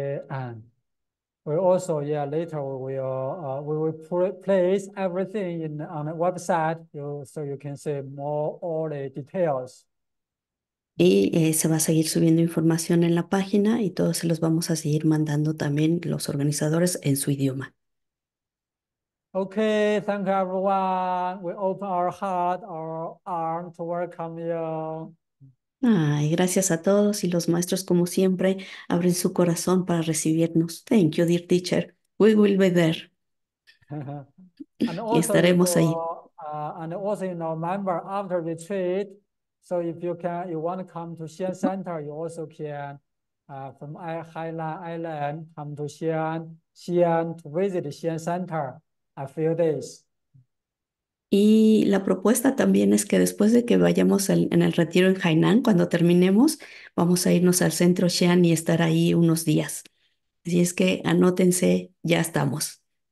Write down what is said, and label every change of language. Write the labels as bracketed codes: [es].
[en] And we also later we will place everything in on the website so you can see more all the details. [es] Y se va a seguir subiendo información en la página y todos se los vamos a seguir mandando también los organizadores en su idioma. [en] Okay, thank you everyone. We open our heart, our arm to welcome you. [es] Ay, gracias a todos y los maestros, como siempre, abren su corazón para recibirnos. [en] Thank you, dear teacher. We will be there. And [es] Y [en] also you [es] estaremos ahí. [en] go and also member after retreat. So if you can you want to come to Xi'an Center, you also can from Hainan Island come to Xi'an to visit Xi'an Center a few days. [es] Y la propuesta también es que después de que vayamos en el retiro en Hainan, cuando terminemos, vamos a irnos al centro Xi'an y estar ahí unos días. Así es que anótense, ya estamos.